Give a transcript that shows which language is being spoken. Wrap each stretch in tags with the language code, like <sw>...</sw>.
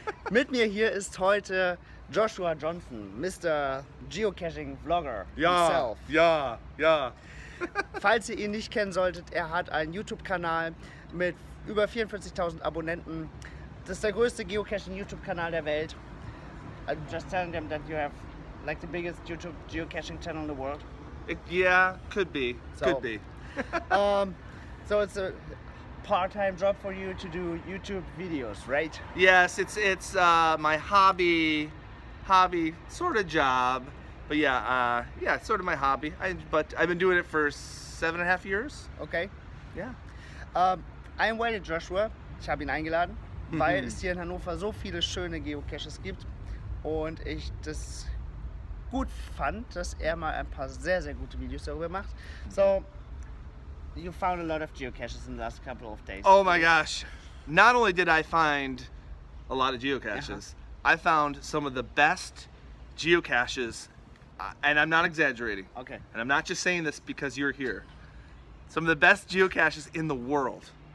<de>Mit mir hier ist heute Joshua Johnson, Mr. Geocaching-Vlogger. Ja, himself. Ja. Falls ihr ihn nicht kennen solltet, er hat einen YouTube-Kanal mit über 44.000 Abonnenten. Das ist der größte Geocaching-YouTube-Kanal der Welt.</de> <en>I'm just telling them that you have like the biggest YouTube geocaching-Channel in the world. Yeah, could be. So it's a part-time job for you to do YouTube videos, right? Yes, it's my hobby, sort of job. But yeah, sort of my hobby. But I've been doing it for 7.5 years. Okay. Yeah. I invited Joshua.</en> <de>Ich habe ihn eingeladen, weil es hier in Hannover so viele schöne Geocaches gibt und ich das gut fand, dass er mal ein paar sehr, sehr gute Videos darüber macht.</de> <en>So, you found a lot of geocaches in the last couple of days. Oh my gosh. Not only did I find a lot of geocaches, I found some of the best geocaches, and I'm not exaggerating. Okay. And I'm not just saying this because you're here. Some of the best geocaches in the world.</en>